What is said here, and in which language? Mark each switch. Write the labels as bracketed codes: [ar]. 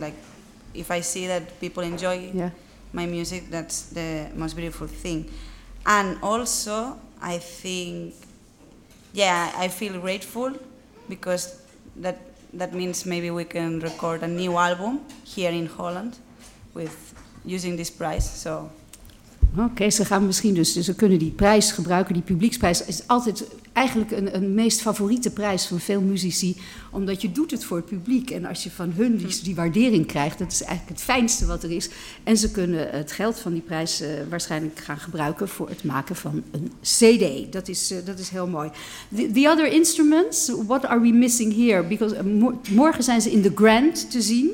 [en] Like, if I see that people enjoy my music, that's the most beautiful thing. And also, I think, I feel grateful because that means maybe we can record a new album here in Holland with using this prize. So. [nl] Okay, ze gaan misschien dus ze kunnen die prijs gebruiken. Die publieksprijs is altijd eigenlijk een meest favoriete prijs van veel muzici, omdat je doet het voor het publiek. En als je van hun die waardering krijgt, dat is eigenlijk het fijnste wat er is. En ze kunnen het geld van die prijs waarschijnlijk gaan gebruiken voor het maken van een cd. Dat is heel mooi. [en] The other instruments, what are we missing here? Because [nl] morgen zijn ze in de Grand te zien.